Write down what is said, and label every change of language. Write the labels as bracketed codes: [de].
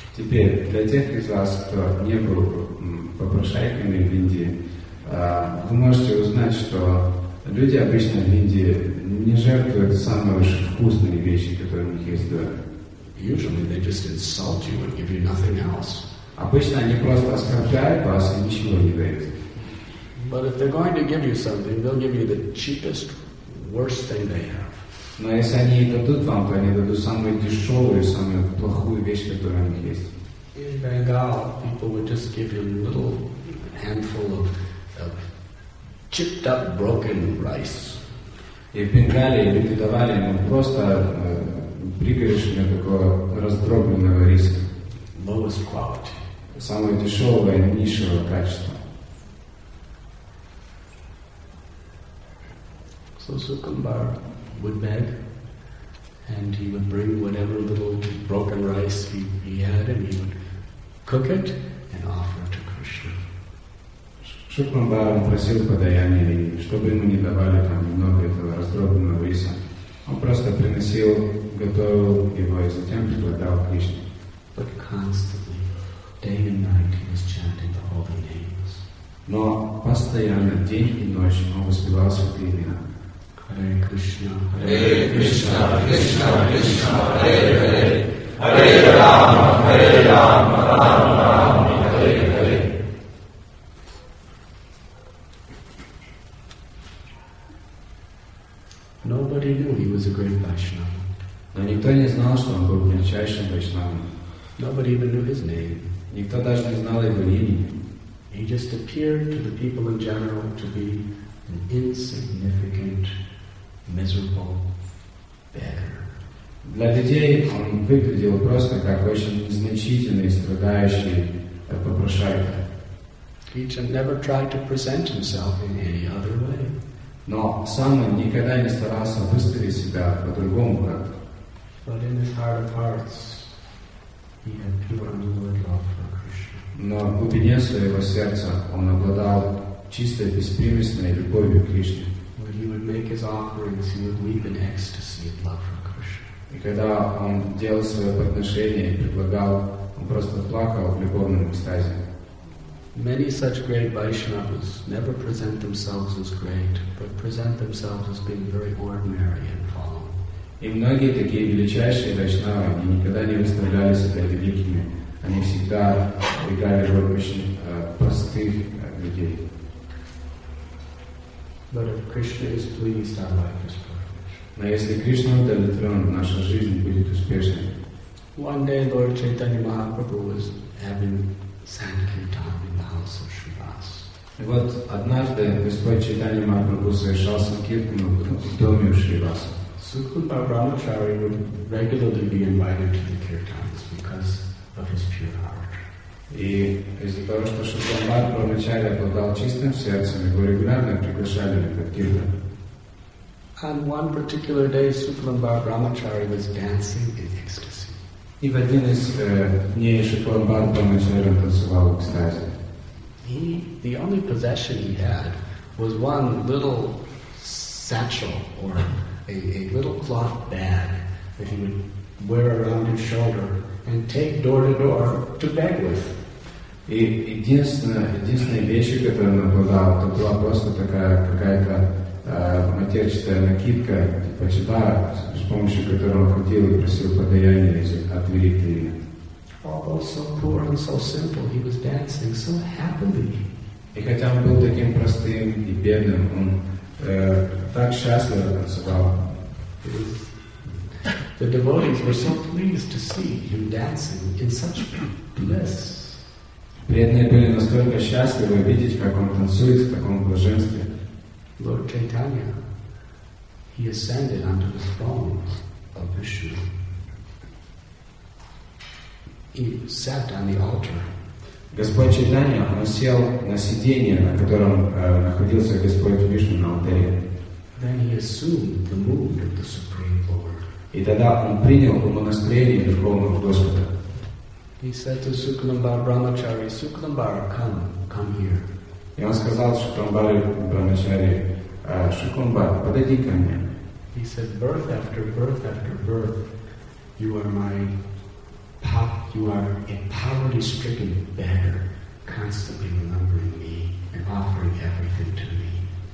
[ru] Теперь, для тех из вас, кто не был попрошайками в Индии, вы можете узнать, что люди обычно в Индии не жертвуют самые вкусные вещи, которые у них есть дома. [en] Usually they just insult you and give you nothing else. [ru] Обычно они просто оскорбляют вас и ничего не дают. [en] But if they're going to give you something, they'll give you the cheapest, worst thing they have. [ru] Но если они дадут вам, то они дадут самую дешевую, самую плохую вещь, которая у них есть. [en] In Bengal, people would just give you a little handful of chipped up, broken rice. [ru] И в Бенгале люди давали ему просто пригоршню такого раздробленного риса. [en] Lowest quality. [ru] Самого дешевого и низшего качества. [en] So Sukumbhar would beg, and he would bring whatever little broken rice he had, and he would cook it and offer to Krishna. [ru] Sukumbhar просил подаяния, чтобы ему не давали там немного этого раздробленного риса. Он просто приносил, готовил его и затем предлагал Кришне. [en] But constantly, day and night, he was chanting the holy names. [ru] Но постоянно день и ночь он воспевал святые имена. [sa] Hare Krishna, Hare Krishna, Krishna Krishna, Hare Hare, Hare Rama, Hare Rama, Rama Rama, Hare Hare. [en] Nobody knew he was a great Vaishnava. [ru] Но никто не знал, что он был величайшим Вайшнавом. [en] Nobody even knew his name. [ru] Никто даже не знал его имени. [en] He just appeared to the people in general to be an insignificant, miserable beggar. [ru] Для людей он выглядел просто как очень незначительный, страдающий попрошайка. [en] He had never tried to present himself in any other way. [ru] Но сам он никогда не старался выставить себя по-другому как. [en] But in his heart of hearts, he had pure unalloyed love for Krishna. [ru] Но в глубине своего сердца он обладал чистой, беспримесной любовью к Кришне. [en] He would make his offerings, he would weep in ecstasy at love for Krishna. [ru] И когда он делал свое подношение и предлагал, он просто плакал в любовном экстазе. [en] Many such great Vaishnavas never present themselves as great, but present themselves as being very ordinary and fallen. [ru] И многие такие величайшие Вайшнавы, они никогда не выставляли себя великими. Они всегда играли роль очень простых людей. [en] But if Krishna is pleased, our life is perfect. [ru] Но если Кришна удовлетворен, наша жизнь будет успешной. [en] One day Lord Chaitanya Mahaprabhu was having sankirtan in the house of Shrivas. [ru] И вот однажды Господь Чайтанья Махапрабху совершал санкиртану в доме у Шриваса. [en] Sukumbhar Brahmachari would regularly be invited to the kirtans because of his pure heart. [ru] И из-за того, что Шукамбар вначале обладал чистым сердцем, его регулярно приглашали на киртан. [en] And one particular day Sukumbhar Brahmachari was dancing in ecstasy. [ru] И в один из дней Шукамбар Брамачари танцевал в экстазе. [en] He, the only possession he had was one little satchel or a little cloth bag that he would wear around his shoulder and take door to door to beg with. [ru] И единственная вещь, которую он обладал, это была просто такая какая-то матерчатая накидка, типа чебара, с помощью которой он ходил и просил подаяния от двери к двери. [en] Although so poor and so simple, he was dancing so happily. [ru] И хотя он был таким простым и бедным, он так счастливо танцевал. [en] The devotees were so pleased to see him dancing in such bliss. [ru] Преданные были настолько счастливы видеть, как он танцует в таком блаженстве. [en] Lord Chaitanya, he ascended onto the throne of Vishnu. He sat on the altar [ru] Господь Чайтанья, он сел на сиденье, на котором находился Господь Вишну на алтаре. [en] Then he assumed the mood of the Supreme Lord. [ru] И тогда он принял его настроение Верховного Господа. [en] He said to Suklambar Brahmachari, Suklambar, come, come here. [ru] И он сказал Шукламбаре Брамачари, Шукламбар, подойди ко мне. [en] He said, birth after birth after birth, you are my you are a poverty stricken beggar, constantly remembering me and offering everything to me.